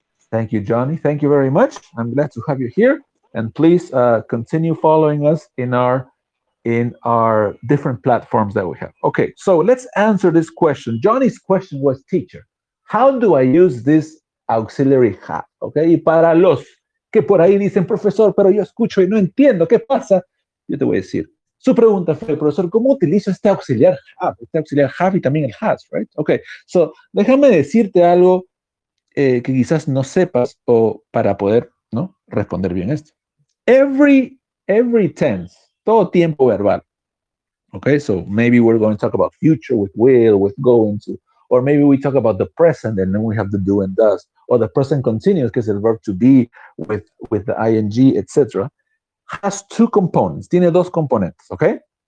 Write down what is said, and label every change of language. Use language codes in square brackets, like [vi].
[en] Thank you, Johnny. Thank you very much. I'm glad to have you here. And please continue following us in our different platforms that we have. Okay, so let's answer this question. Johnny's question was, teacher, how do I use this auxiliary have? [es] Okay, y para los que por ahí dicen, profesor, pero yo escucho y no entiendo, ¿qué pasa? Yo te voy a decir. Su pregunta fue, profesor, ¿cómo utilizo este auxiliar have? Este auxiliar have y también el has, right? Okay, so déjame decirte algo que quizás no sepas o para poder, ¿no?, responder bien esto. [en] Every tense, [es] todo tiempo verbal. [en] Okay, so maybe we're going to talk about future with will, with going to, or maybe we talk about the present and then we have the do and does, or the present continuous, que es el verb to be with the ing, etc., has two components, [es] tiene dos componentes, [en] okay?